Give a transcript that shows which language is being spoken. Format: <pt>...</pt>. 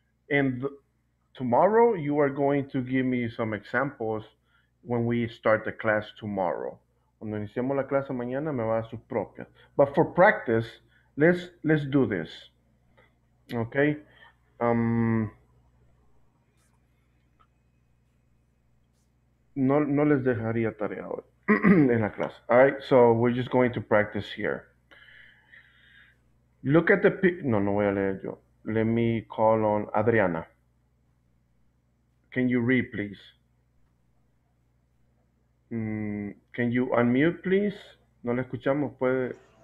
<en>And tomorrow you are going to give me some examples when we start the class tomorrow.</en> <es>Cuando iniciemos la clase mañana, me va a su propia.</es> <en>But for practice, let's do this.</en> <es>Okay? No les dejaría tarea hoy en la clase.</es> <en>All right, so we're just going to practice here. Look at the...</en> <es>No voy a leer yo.</es> <en>Let me call on Adriana. Can you read, please? Can you unmute, please?</en> <es>No le escuchamos, puede...</es>